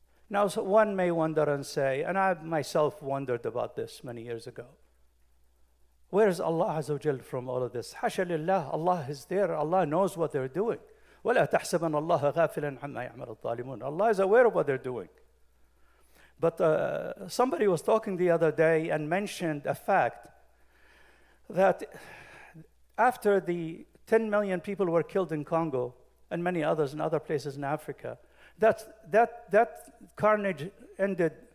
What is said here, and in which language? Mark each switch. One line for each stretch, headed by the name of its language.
English: Now, so one may wonder and say, and I myself wondered about this many years ago, where is Allah Azza wa Jal from all of this?
Arabic: حاشا لله,
English: Allah is there, Allah knows what they're doing.
Arabic: ولا تحسبن الله غافلا عما يعمل الظالمون.
English: Allah is aware of what they're doing. But somebody was talking the other day and mentioned a fact that after the 10 million people were killed in Congo and many others in other places in Africa, that carnage ended